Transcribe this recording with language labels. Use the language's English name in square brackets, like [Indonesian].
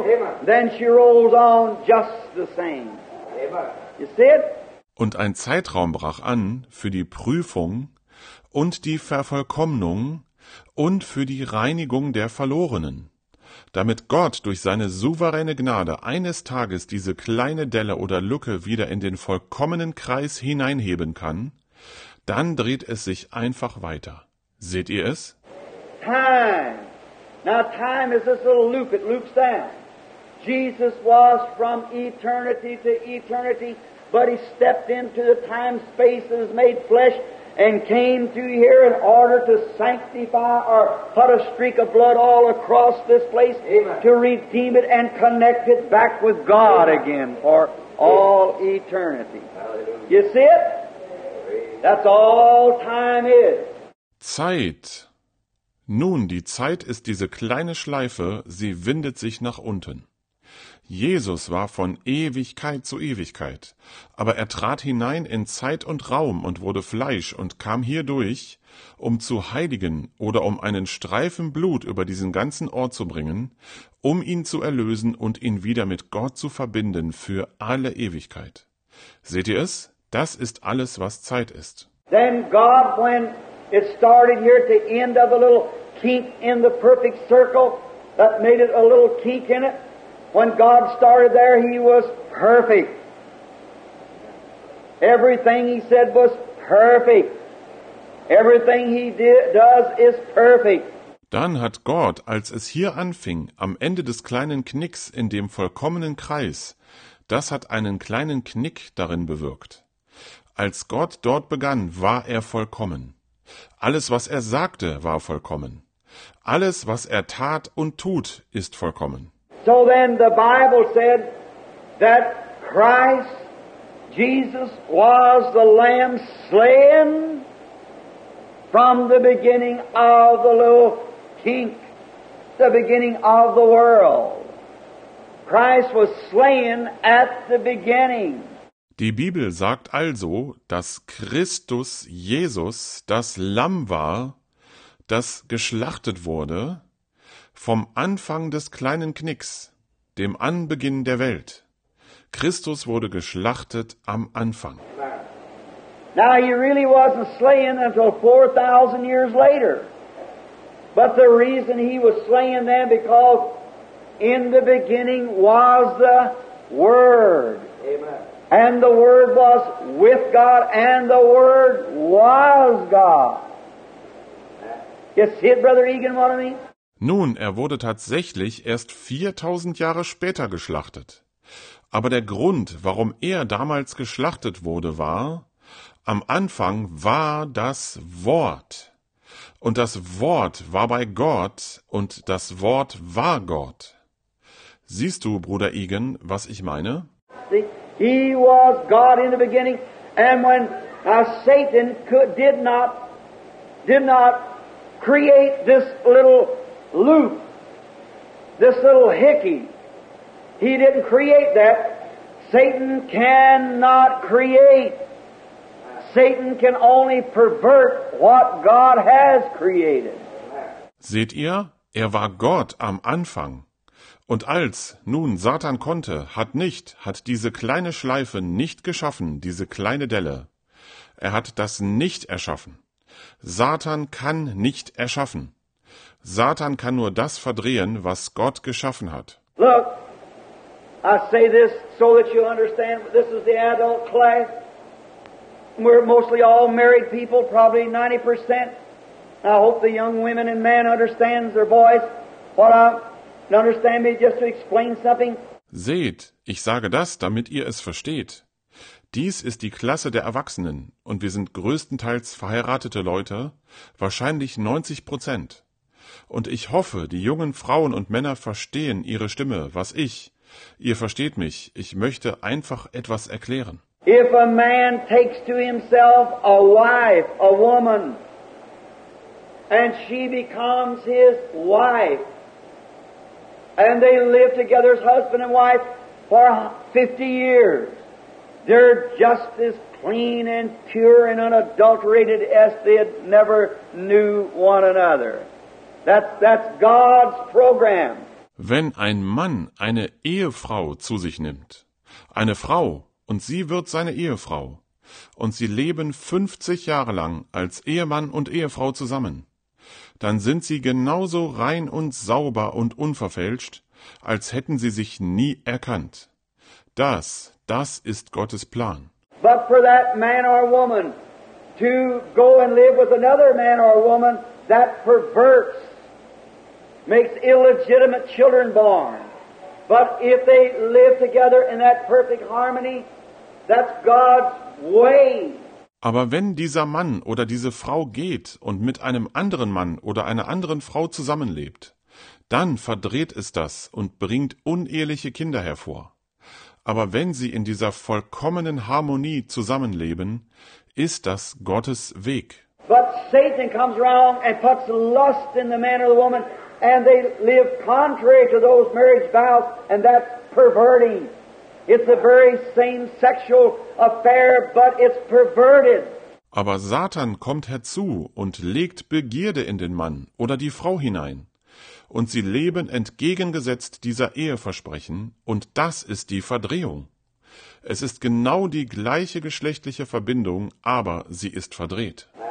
[English] Amen. Then she rolls on just the same. Amen. You see it? [German] Und ein Zeitraum brach an für die Prüfung und die Vervollkommnung und für die Reinigung der Verlorenen, damit Gott durch seine souveräne Gnade eines Tages diese kleine Delle oder Lücke wieder in den vollkommenen Kreis hineinheben kann. Dann dreht es sich einfach weiter. Seht ihr es? [English] Time. Now time is this little loop. It loops down. Jesus was from eternity to eternity, but he stepped into the time space and was made flesh and came to here in order to sanctify or put a streak of blood all across this place. Amen. To redeem it and connect it back with God. Amen. Again for all eternity. Hallelujah. You see it? That's all time is. [German] Zeit. Nun, die Zeit ist diese kleine Schleife, sie windet sich nach unten. Jesus war von Ewigkeit zu Ewigkeit, aber er trat hinein in Zeit und Raum und wurde Fleisch und kam hierdurch, um zu heiligen oder um einen Streifen Blut über diesen ganzen Ort zu bringen, um ihn zu erlösen und ihn wieder mit Gott zu verbinden für alle Ewigkeit. Seht ihr es? Das ist alles, was Zeit ist. [English] Then God, when it started here at the end of a little kink in the perfect circle, that made it a little kink in it. When God started there, he was perfect. Everything he said was perfect. Everything he does is perfect. [German] Dann hat Gott, als es hier anfing, am Ende des kleinen Knicks in dem vollkommenen Kreis, das hat einen kleinen Knick darin bewirkt. Als Gott dort begann, war er vollkommen. Alles, was er sagte, war vollkommen. Alles, was er tat und tut, ist vollkommen. [English] So then the Bible said that Christ Jesus was the Lamb slain from the beginning of the little kink, the beginning of the world. Christ was slain at the beginning. [German] Die Bibel sagt also, dass Christus Jesus das Lamm war, das geschlachtet wurde, vom Anfang des kleinen Knicks, dem Anbeginn der Welt. Christus wurde geschlachtet am Anfang. [English] Now he really wasn't slain until 4,000 years later. But the reason he was slain then, because in the beginning was the Word. Amen. And the Word was with God, and the Word was God. You see it, Brother Egan, what I mean? [German] Nun, er wurde tatsächlich erst 4000 Jahre später geschlachtet. Aber der Grund, warum er damals geschlachtet wurde, war, am Anfang war das Wort. Und das Wort war bei Gott und das Wort war Gott. Siehst du, Bruder Egan, was ich meine? [English] He was God in the beginning, and when Satan did not create this little loop, this little hickey, he didn't create that. Satan cannot create. Satan can only pervert what God has created. [German] Seht ihr, er war Gott am Anfang. Und als nun Satan konnte, hat diese kleine Schleife nicht geschaffen, diese kleine Delle. Er hat das nicht erschaffen. Satan kann nicht erschaffen. Satan kann nur das verdrehen, was Gott geschaffen hat. [English] Look, I say this so that you understand, this is the adult class. We're mostly all married people, probably 90%. I hope the young women and men understand their boys. What I understand me just to explain something. [German] Seht, ich sage das, damit ihr es versteht. Dies ist die Klasse der Erwachsenen und wir sind größtenteils verheiratete Leute, wahrscheinlich 90%. Und ich hoffe, die jungen Frauen und Männer verstehen ihre Stimme, was ich. Ihr versteht mich, ich möchte einfach etwas erklären. [English] If a man takes to himself a wife, a woman, and she becomes his wife, and they live together as husband and wife for 50 years, they're just as clean and pure and unadulterated as they never knew one another. That's God's program. [German] Wenn ein Mann eine Ehefrau zu sich nimmt, eine Frau, und sie wird seine Ehefrau, und sie leben 50 Jahre lang als Ehemann und Ehefrau zusammen, dann sind sie genauso rein und sauber und unverfälscht, als hätten sie sich nie erkannt. Das ist Gottes Plan. [English] But for that man or woman to go and live with another man or woman, that perverts, makes illegitimate children born. But if they live together in that perfect harmony, that's God's way. [German] Aber wenn dieser Mann oder diese Frau geht und mit einem anderen Mann oder einer anderen Frau zusammenlebt, dann verdreht es das und bringt uneheliche Kinder hervor. Aber wenn sie in dieser vollkommenen Harmonie zusammenleben, ist das Gottes Weg. [English] But Satan comes around and puts lust in the man or the woman, and they live contrary to those marriage vows, and that's perverting. It's the very same sexual affair, but it's perverted. [German] Aber Satan kommt herzu und legt Begierde in den Mann oder die Frau hinein. Und sie leben entgegengesetzt dieser Eheversprechen, und das ist die Verdrehung. Es ist genau die gleiche geschlechtliche Verbindung, aber sie ist verdreht.